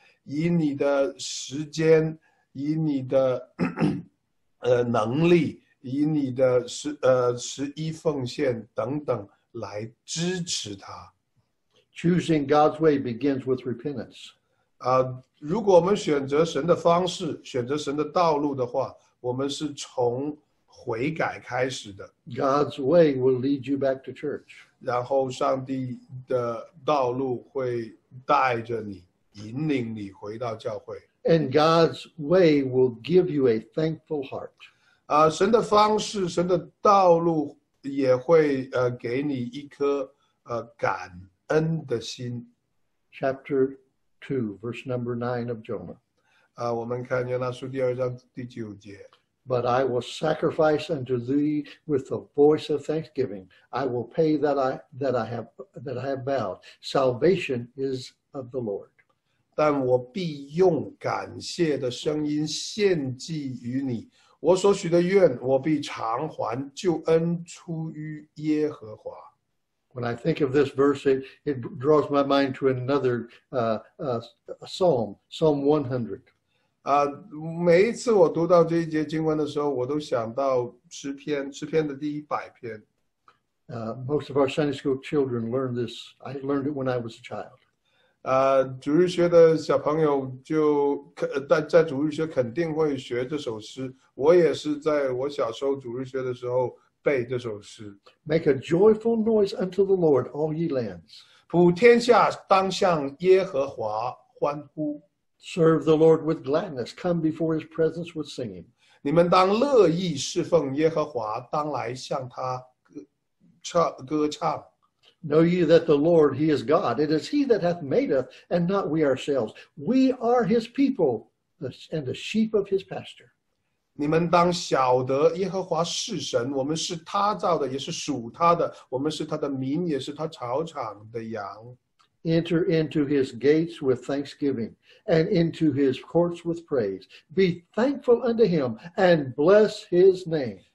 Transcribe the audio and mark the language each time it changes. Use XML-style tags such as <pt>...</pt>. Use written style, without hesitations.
<zh>以你的时间，以你的能力，以你的十一奉献等等来支持他。</zh> <en>Choosing God's way begins with repentance.</en> <zh>如果我们选择神的方式，选择神的道路的话，我们是从悔改开始的。</zh> <en>God's way will lead you back to church.</en> <zh>然后上帝的道路会带着你，引领你回到教会。</zh> <en>And God's way will give you a thankful heart.</en> <zh>神的方式，神的道路也会给你一颗感恩的心。</zh> <en>Chapter 2, verse number 9 of Jonah.</en> <zh>我们看约拿书第二章第九节。</zh> <en>But I will sacrifice unto thee with the voice of thanksgiving. I will pay that I have vowed. Salvation is of the Lord.</en> <zh>但我必用感谢的声音献祭于你。我所许的愿，我必偿还。救恩出于耶和华。</zh> <en>When I think of this verse, it draws my mind to another Psalm 100.</en> <zh>每一次我读到这一节经文的时候，我都想到诗篇，诗篇的第100篇。</zh> <en>Most of our Sunday school children learned this. I learned it when I was a child.</en> <zh>主日学的小朋友就在主日学肯定会学这首诗。我也是在我小时候主日学的时候背这首诗。</zh> <en>Make a joyful noise unto the Lord, all ye lands.</en> <zh>普天下当向耶和华欢呼。</zh> <en>Serve the Lord with gladness. Come before His presence with singing.</en> <zh>你们当乐意侍奉耶和华，当来向他歌唱。</zh> <en>Know ye that the Lord, He is God. It is He that hath made us, and not we ourselves. We are His people, and the sheep of His pasture.</en> <zh>你们当晓得耶和华是神，我们是他造的，也是属他的。我们是他的民，也是他草场的羊。</zh> <en>Enter into his gates with thanksgiving and into his courts with praise. Be thankful unto him and bless his name.</en>